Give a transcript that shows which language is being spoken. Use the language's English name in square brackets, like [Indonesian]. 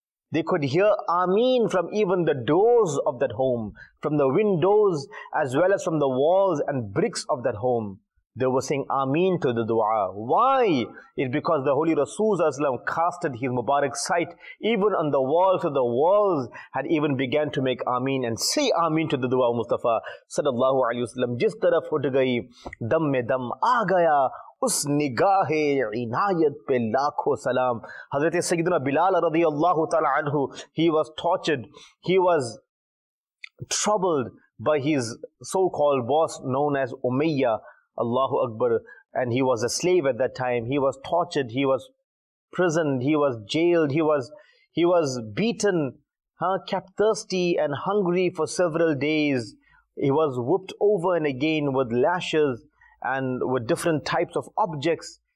[English] They could hear Ameen from even the doors of that home, from the windows as well as from the walls and bricks of that home. They were saying Ameen to the dua. Why? It's because the Holy Rasul ﷺ casted his Mubarak sight even on the walls of the walls had even began to make Ameen and say Ameen to the dua of Mustafa sallallahu alayhi wa sallam. [Urdu] Jis taraf ut gayi, dam mein dam aa gaya. اس نگاہ عنایت پہ لاکھوں سلام حضرت سیدنا بلال رضی اللہ تعالی عنہ [English] he was tortured he was troubled by his so called boss known as Umayyah [Arabic] Allahu Akbar. [English] And he was a slave at that time. He was tortured. He was prisoned. He was jailed. He was beaten, kept thirsty and hungry for several days. He was whipped over and again with lashes and with different types of objects.